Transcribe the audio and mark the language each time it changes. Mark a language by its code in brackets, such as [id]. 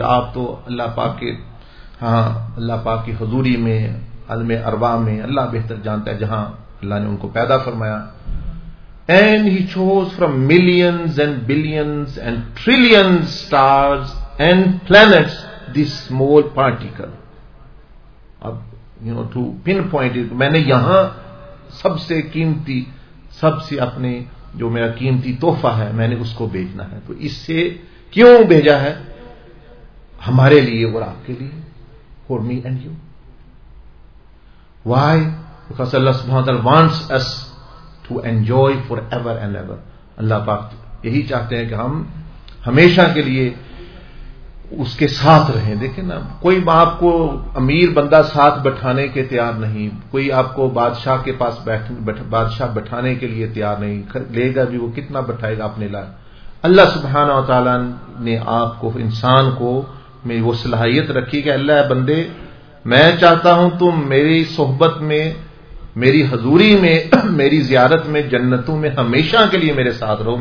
[hi] आप तो अल्लाह पाक के, हाँ, अल्लाह पाक की हजूरी में, अलमे अरबा में, अल्लाह बेहतर जानता है जहां अल्लाह ने उनको पैदा फरमाया. [en] And he chose from millions and billions and trillions stars and planets this small particle. [hi] अब [en] you know, to pinpoint it, [hi] मैंने यहाँ सबसे कीमती, सबसे अपने जो मेरा कीमती तोहफा है, मैंने उसको भेजना है. तो इससे क्यों भेजा है? हमारे लिए और आपके लिए. [en] For me and you. Why? Because Allah Subhanahu wa Taala wants us to enjoy forever and ever. [hi] Allah Pak यही चाहते हैं कि हम हमेशा के लिए उसके साथ रहें. देखें ना, कोई आपको अमीर बंदा साथ बैठाने के तैयार नहीं, कोई आपको बादशाह के पास बादशाह बैठाने के लिए तैयार नहीं. लेगा भी वो कितना बैठाएगा अपने लिए? अल्लाह सुबहाना व तआला ने आपको, इंसान को, मेरी वो सलाहियत रखी कि अल्लाह बंदे, मैं चाहता हूं तुम मेरी सोहबत में, मेरी हजूरी में, मेरी जियारत में, जन्नतों में हमेशा के लिए मेरे साथ रहो.